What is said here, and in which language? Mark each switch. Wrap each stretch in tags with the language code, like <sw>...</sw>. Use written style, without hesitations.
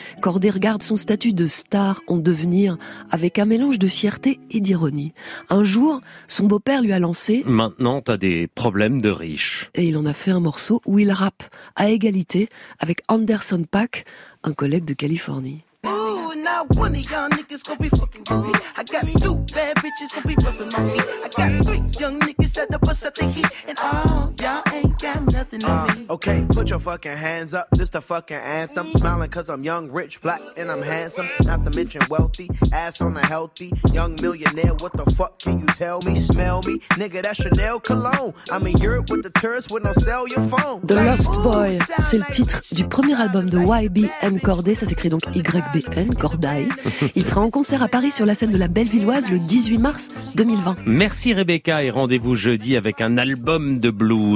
<fr>Cordae regarde son statut de star en devenir avec un mélange de fierté et d'ironie. Un jour, son beau-père lui a lancé « Maintenant, t'as des problèmes de riche. » Et il en a fait un morceau où il rappe à égalité avec Anderson .Paak, un collègue de Californie.</fr> <en>One of y'all niggas gon' be fucking with me. I got 2 bad bitches gon' be rubbing my feet. I got 3 young niggas that'll bust out the heat. And all y'all ain't got nothing on me. Okay, put your fucking hands up, this the fucking anthem. Smiling cause I'm young, rich, black, and I'm handsome. Not to mention wealthy, ass on a healthy young millionaire, what the fuck can you tell me? Smell me, nigga, that's Chanel cologne. I'm in Europe with the tourists with no cell your phone.</en> <fr>The Lost Boy, c'est le titre du premier album de YBN Cordae. Ça s'écrit donc YBN Cordae. Il sera en concert à Paris sur la scène de la Bellevilloise le 18 mars 2020. Merci Rebecca et rendez-vous jeudi avec un album de blues.</fr>